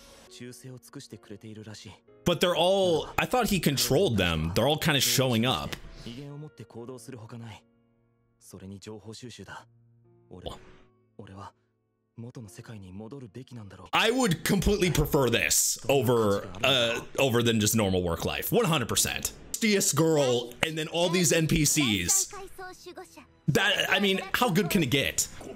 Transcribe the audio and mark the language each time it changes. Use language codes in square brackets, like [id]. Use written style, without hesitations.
[ja] 忠誠を尽くしてくれているらしい。 [en] But they're all, I thought he controlled them. They're all kind of showing up. [ja] 威厳を持って行動するほかない。それに情報収集だ。俺は元の世界に戻るべきなんだろう。 [en] I would completely prefer this over than just normal work life. 100%. Girl, and then all these NPCs. That, I mean, how good can it get?